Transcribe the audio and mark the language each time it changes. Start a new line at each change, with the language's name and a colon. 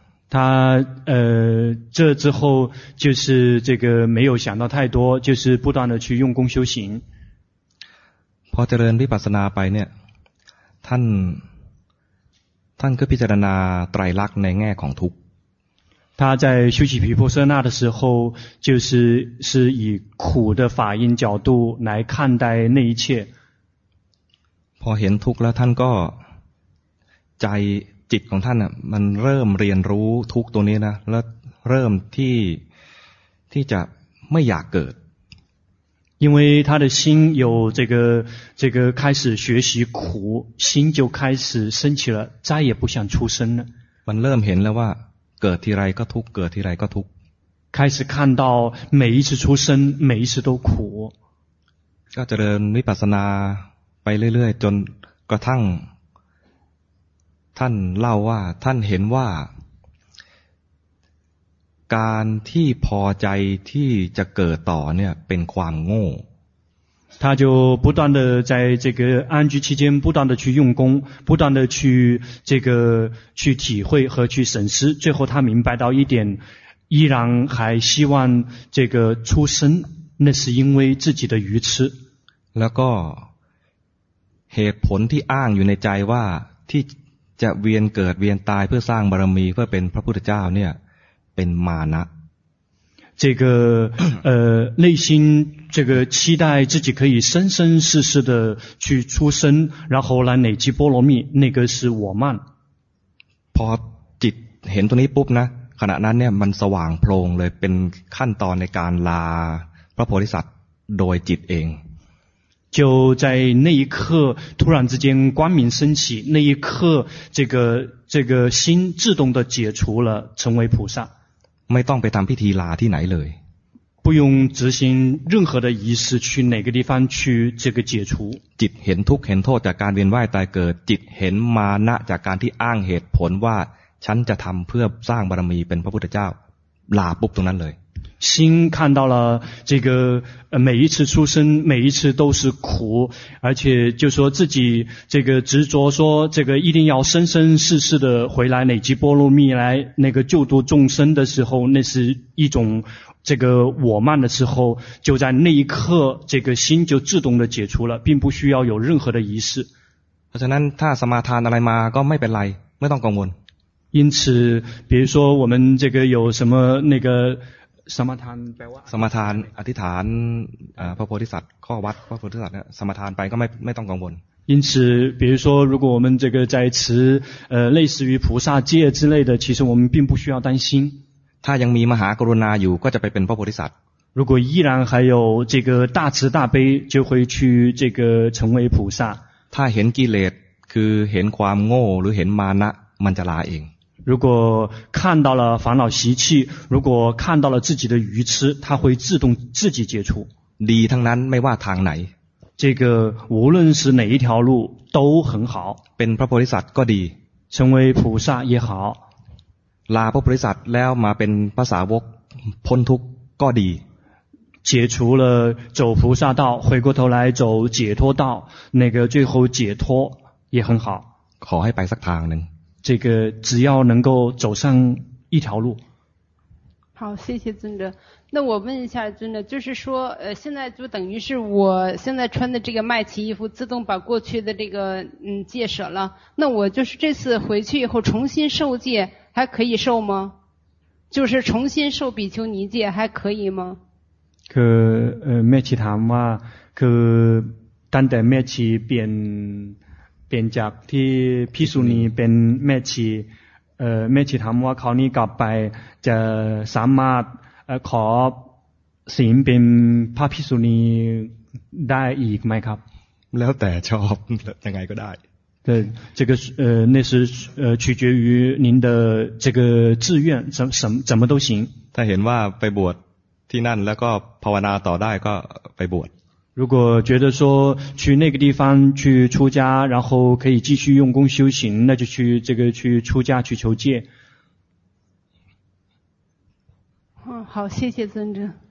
Chinese: 他这之后就是这个没有想到太多就是不断的去用功修行
Thai: พอเจริญวิปัสสนาไปเนี่ยท่านก็พิจารณาไตรลักษณ์ในแง่ของทุกข์
Chinese: 他在修习毗婆舍那的时候就是是以苦的法印角度来看待那一切
Thai: พอเห็นทุกข์แล้วท่านก็ใจจิตของท่านน่ะมันเริ่มเรียนรู้ทุกตัวนี้นะแล้วเริ่มที่จะไม่อยากเกิด
Chinese: 因为他的心有这个开始学习苦心就开始升起了再也不想出生了
Thai: มันเริ่มเห็นแล้วว่าเกิดทีไรก็ทุกเกิดทีไรก็ทุก
Chinese: 开始看到每一次出生每一次都苦
Thai: ก็เจริญวิปัสสนาไปเรื่อยๆจนกระทั่งท่านเล่าว่าท่านเห็นว่าการที่พอใจที่จะเกิดต่อเนี่ยเป็นความโง่
Chinese: 他就不断的在这个安居期间不断的去用功不断的去这个去体会和去审视最后他明白到一点依然还希望这个出生那是因为自己的愚痴
Thai: แล้วก็เหตุผลที่อ้างอยู่ในใจว่าที่จะเวียนเกิดเวียนตายเพื่อสร้างบารมีเพื่อเป็นพระพุทธเจ้าเนี่ยเป็นมานะ
Chinese: 这个内心这个期待自己可以生生世世的去出生然后来累积波罗蜜那个是我慢
Thai: พอจิตเห็นตรงนี้ปุ๊บนะขณะนั้นเนี่ยมันสว่างโพล่งเลยเป็นขั้นตอนในการลาพระโพธิสัตว์โดยจิตเอง
Chinese: 就在那一刻突然之间光明升起那一刻这个心自动的解除了成为菩萨
Thai: ไม่ต้องไปทำพิธีลาที่ไหนเลย
Chinese: 不用执行任何的仪式去哪个地方去这个解除
Thai: จิตเห็นทุกข์เห็นโทษจากการเวียนว่ายตายเกิดจิตเห็นมานะจากการที่อ้างเหตุผลว่าฉันจะทำเพื่อสร้างบารมีเป็นพระพุทธเจ้า
Chinese: 拉不动了嘞。心看到了这个每一次出生每一次都是苦，而且就说自己这个执着说这个一定要生生世世的回来累积波罗蜜来那个救度众生的时候，那是一种这个我慢的时候，就在那一刻这个心就自动的解除了，并不需要有任何的仪式。
Thai: เพราะฉะนั้นถ้าสมาทานอะไรมาก็ไม่เป็นไรไม่ต้องกังวล
Chinese: 因此比如说我们这个有什么那个
Thai: สมาทานแปลว่า สมาทานอธิษฐานพระโพธิสัตว์ข้อวัดพระโพธิสัตว์เนี่ยสมาทานไปก็ไม่ต้องกังวล
Chinese: 因此比如说如果我们这个在持类似于菩萨戒之类的其实我们并不需要担心
Thai: ถ้ายังมีมหากรุณาอยู่ก็จะไปเป็นพระโพธิสัตว์
Chinese: 如果依然还有这个大慈大悲就会去这个成为菩萨
Thai: ถ้าเห็นกิเลสคือเห็นความโง่หรือเห็นมานะมันจะลาเอง
Chinese: 如果看到了烦恼习气如果看到了自己的愚痴它会自动自己解除
Thai: ดีทั้งนั้นไม่ว่าทางไหน
Chinese: 这个无论是哪一条路都很好
Thai: เป็นพระโพธิสัตว์ก็ดี
Chinese: 成为菩萨也好
Thai: ลาพระโพธิสัตว์แล้วมาเป็นพระสาวกพ้นทุกข์ก็ดี
Chinese: 解除了走菩萨道回过头来走解脱道那个最后解脱也很好
Thai: ขอให้ไปสักทางหนึ่ง
Chinese: 这个只要能够走上一条路好谢谢尊者那我问一下尊者就是说现在就等于是我现在穿的这个麦奇衣服自动把过去的这个戒舍了那我就是这次回去以后重新受戒还可以受吗就是重新受比丘尼戒还可以吗
Thai: คือแม่ชีถามว่าคือตั้งแต่แม่ชีเปลี่ยนจากที่ภิกษุณีเป็นแม่ชีแม่ชีถามว่าคราวนี้กลับไปจะสามารถขอศีลเป็นพระภิกษุณีได้อีกไหมครับ แล้วแต่ชอบยังไงก็ได้
Chinese: 对这个那是取决于您的这个志愿怎么都行
Thai: ถ้าเห็นว่าไปบวชที่นั่นแล้วก็ภาวนาต่อได้ก็ไปบวช
Chinese: 如果觉得说去那个地方去出家然后可以继续用功修行那就去这个去出家去求戒好谢谢尊者